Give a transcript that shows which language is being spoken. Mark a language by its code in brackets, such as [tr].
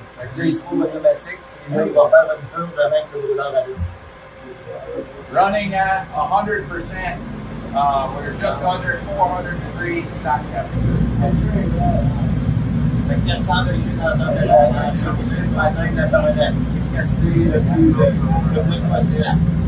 [fr] Fait que là, ils sont automatiques et là, ils vont faire une purge avant que vous en arrivez. [en] Running at 100%, we're just under 400 degrees, stock temperature. [fr] Fait que 400 degrés dans la température, dans la chambre, il faut atteindre la période d'efficacité le plus facile.